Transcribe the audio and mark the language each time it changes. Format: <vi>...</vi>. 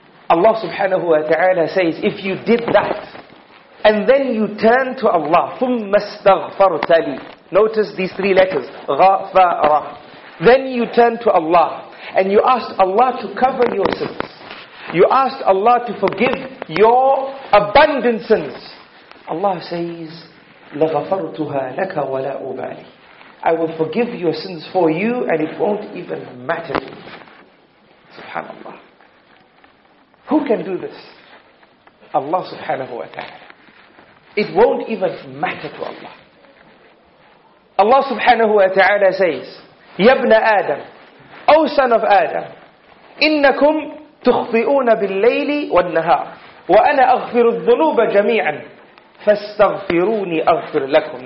<en>Allah subhanahu wa ta'ala says, if you did that, and then you turn to Allah,</en> <ar>ثُمَّ اسْتَغْفَرْتَ لِي.</ar> <en>Notice these three letters, غَفَرَ. Then you turn to Allah, and you ask Allah to cover your sins. You ask Allah to forgive your abundant sins. Allah says,</en> <ar>لَغَفَرْتُهَا لَكَ وَلَا أُبَالِي.</ar> <en>I will forgive your sins for you, and it won't even matter to you. Subhanallah. Who can do this? Allah subhanahu wa ta'ala. It won't even matter to Allah. Allah subhanahu wa ta'ala says, Yabna Adam, O son of Adam,</en> <ar>إِنَّكُمْ تُخْطِئُونَ بِاللَّيْلِ وَالنَّهَارِ وَأَنَا أَغْفِرُ الذُّنُوبَ جَمِيعًا فَاسْتَغْفِرُونِ أَغْفِرُ لَكُمْ.</ar>